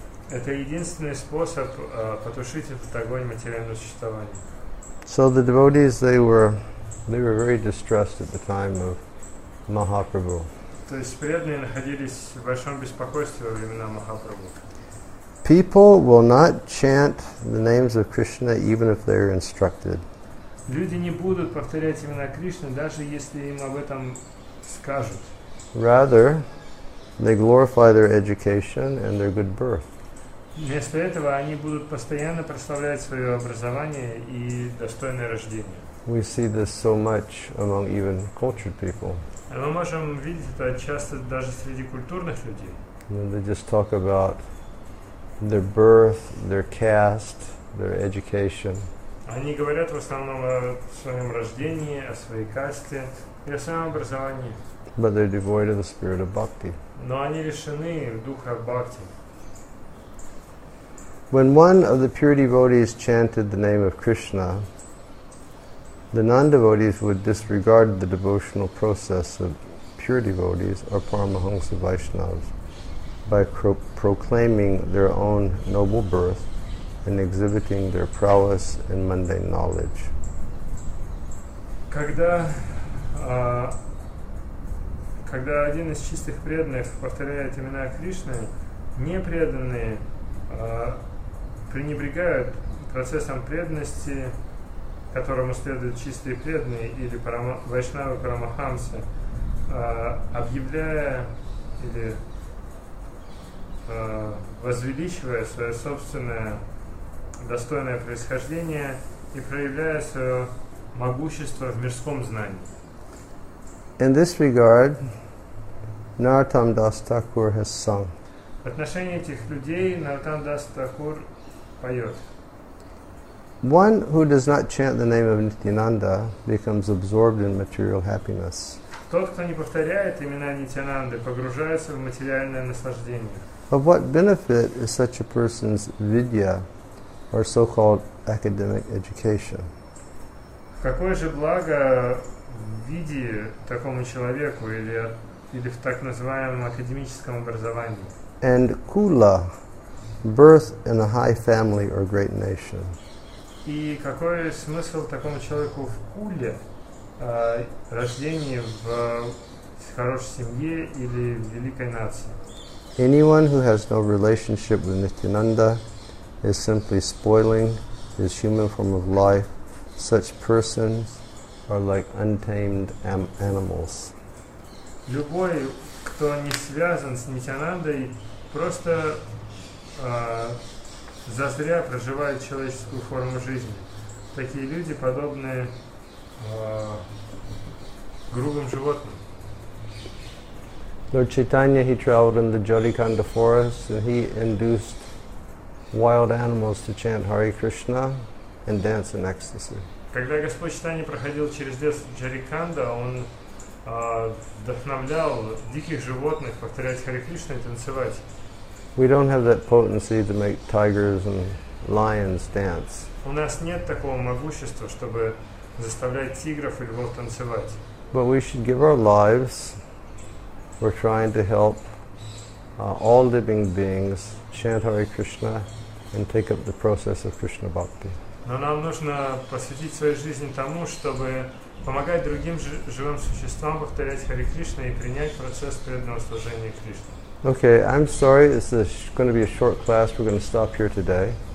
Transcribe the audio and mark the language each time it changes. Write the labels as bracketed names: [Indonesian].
[Russian] Это единственный способ потушить этот огонь материального существования. [English] So the devotees, they were very distressed at the time of Mahaprabhu. [Russian] То есть преданные находились в большом беспокойстве во времена Махапрабху. [English] People will not chant the names of Krishna even if they are instructed. [Russian] Люди не будут повторять имена Кришны, даже если им об этом скажут. [English] Rather, they glorify their education and their good birth. [Russian] Вместо этого они будут постоянно прославлять свое образование и достойное рождение. [English] We see this so much among even cultured people. [Russian] Мы можем видеть это часто даже среди культурных людей. [English] And they just talk about their birth, their caste, their education. [Russian] Они говорят в основном о своем рождении, о своей касте и о своем образовании. [English] But they're devoid of the spirit of bhakti. [Russian] Но они лишены духа бхакти. [English] When one of the pure devotees chanted the name of Krishna, the non-devotees would disregard the devotional process of pure devotees or Paramahamsa Vaishnavas by proclaiming their own noble birth and exhibiting their prowess in mundane knowledge. [Russian] Когда один из чистых преданных повторяет имена Кришны, непреданные пренебрегают процессом преданности, которому следуют чистые преданные или вайшнавы парамахамсы, объявляя или возвеличивая свое собственное достойное происхождение и проявляя свое могущество в мирском знании. [English] In this regard, Narottam Das Thakur has sung. [Russian] В отношении этих людей Narottam Das Thakur поет. [English] One who does not chant the name of Nityananda becomes absorbed in material happiness. [Russian] Тот, кто не повторяет имена Нитянанды, погружается в материальное наслаждение. [English] Of what benefit is such a person's vidya, or so-called academic education? [Russian] Какое же благо в виде такому человеку или в так называемом академическом образовании? [English] And kula, birth in a high family or great nation. [Russian] И какой смысл такому человеку в куле, рождение в хорошей семье или в великой нации? [English] Anyone who has no relationship with Nityananda is simply spoiling his human form of life. Such persons are like untamed animals. [Russian] Любой, кто не связан с Нитянандой, просто зазря проживает человеческую форму жизни. Такие люди подобны грубым животным. [English] Lord Chaitanya, he traveled in the Jodikanda forest and he induced wild animals to chant Hare Krishna and dance in ecstasy. [Russian] Когда Господь Читания проходил через лес Джариканда, он вдохновлял диких животных повторять Харе Кришна и танцевать. [English] We don't have that potency to make tigers and lions dance. [Russian] У нас нет такого могущества, чтобы заставлять тигров и львов танцевать. [English] But we should give our lives. We're trying to help all living beings chant Hare Krishna and take up the process of Krishna Bhakti. [Russian] Но нам нужно посвятить свою жизнь тому, чтобы помогать другим живым существам повторять Харе Кришна и принять процесс преданного служения Кришне. [English] Okay, I'm sorry, this is going to be a short class, we're going to stop here today.